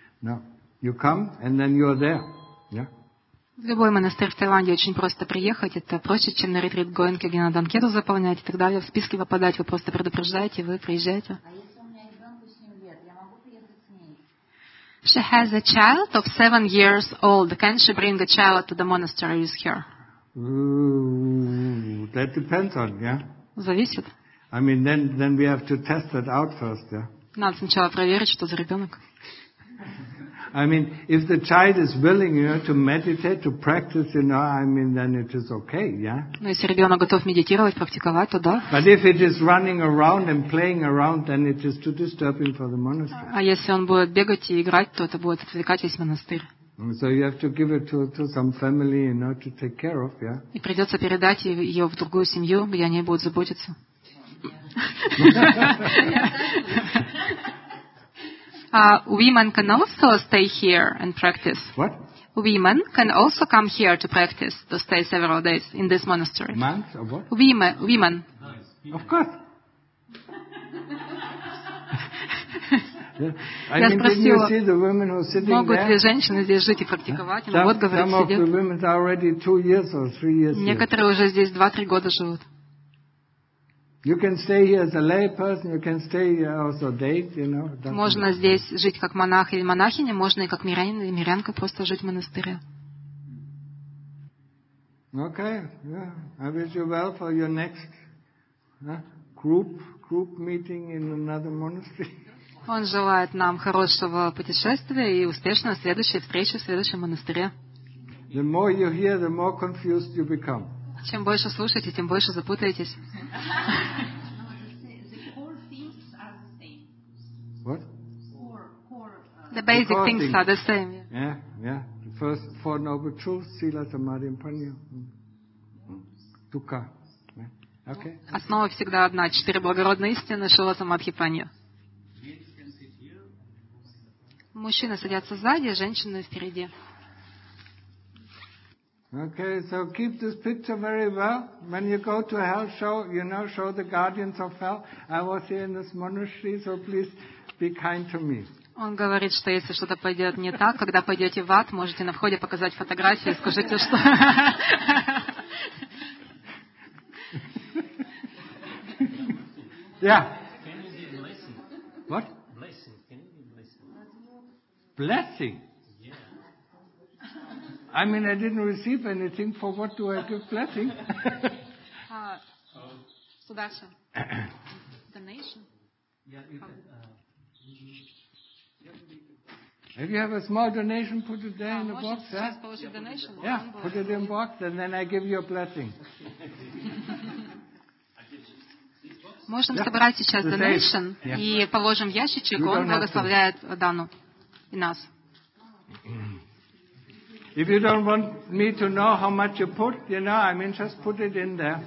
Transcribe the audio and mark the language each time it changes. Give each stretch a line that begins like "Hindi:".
English: No, you come and then you are there. Yeah.
Russian: В любой монастырь в Таиланде очень просто приехать. Это проще, чем на ретрит Гоенке, где надо анкету заполнять и так далее. В списке попадать, вы просто предупреждаете, вы приезжаете. А если у меня ребенку 7 лет, я могу приехать с ней?
English: She has a child of 7 years old. Can she bring a child to the monastery with her? Ooh, that depends on, yeah.
Russian: Зависит.
English: I mean, then we have to test that out first, yeah.
Russian: Надо сначала проверить, что за ребенок.
English: I mean, if the child is willing, you know, to meditate, to practice, you know, I mean, then it is okay, yeah?
Russian: Но если ребенок готов медитировать, практиковать, то да.
English: But if it is running around and playing around, then it is too disturbing for the monastery.
Russian: А если он будет бегать и играть, то это будет отвлекать весь монастырь.
English: So you have to give it to some family, you know, to take care of, yeah?
Russian: И придется передать ее в другую семью, где о ней будут заботиться.
English: Women can also stay here and practice. What? Women can also come here to practice, to stay several days in this monastery. Monks or what? Women. Nice. Of course. Yeah. I mean, didn't you see the women who are sitting there?
Russian: Могут ли женщины здесь жить и практиковать? Huh?
English: Some of the women are already 2 years or 3 years here.
Russian: Некоторые уже здесь 2-3 года живут.
English: You can stay here as a lay person, you can stay here as a date, you know.
Russian: Можно здесь жить как монах или монахиня, можно и как мирянин или мирянка просто жить в монастыре.
English: Okay, yeah. I wish you well for your next group meeting in another monastery.
Russian: Он желает нам хорошего путешествия и успешной следующей встречи в следующем монастыре.
English: The more you hear, the more confused you become.
Russian: Чем больше слушаете, тем больше запутаетесь.
English: What? The basic things are the same. Yeah. The first four noble truths, sila, samadhi, and panya. Dukkha. Okay.
Russian: Основа всегда одна. 4 благородные истины, сила, самадхи, панья. Мужчины садятся сзади, женщины впереди.
English: Okay, so keep this picture very well. When you go to hell, show the guardians of hell. I was here in this monastery, so please be kind to me.
Russian: Он говорит, что если что-то пойдет не так, когда пойдете в ад, можете на входе показать фотографию и скажите, что.
English: Yeah. Can you give blessing? What? Blessing. Can you give blessing? Blessing? Yeah. I mean, I didn't receive anything. For what do I give blessing? Sudarshan. Donation. If you have a small donation, put it there in the box. Just yeah? Put the donation. Yeah, put it in the box and then I give you a blessing.
Russian: Можем собрать сейчас донейшн и положим в ящичек, он благословляет Дану и нас.
English: If you don't want me to know how much you put, you know, I mean, just put it in there.